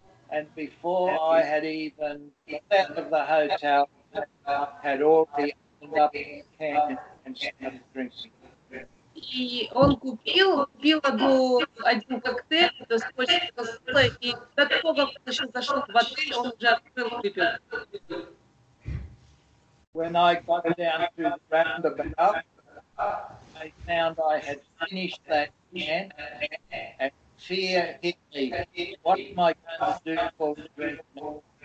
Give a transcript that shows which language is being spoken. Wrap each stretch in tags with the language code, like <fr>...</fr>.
<en>And before I had even got out of the hotel, I had already opened up the can and started drinking.</en> <ru>И он купил один коктейль, то есть после коктейля, и до того, как он еще зашел в отель, он уже открыл выпил.</ru> <en>When I got down to the roundabout, I found I had finished that can, and fear hit me. What am I going to do for the drink now?</en>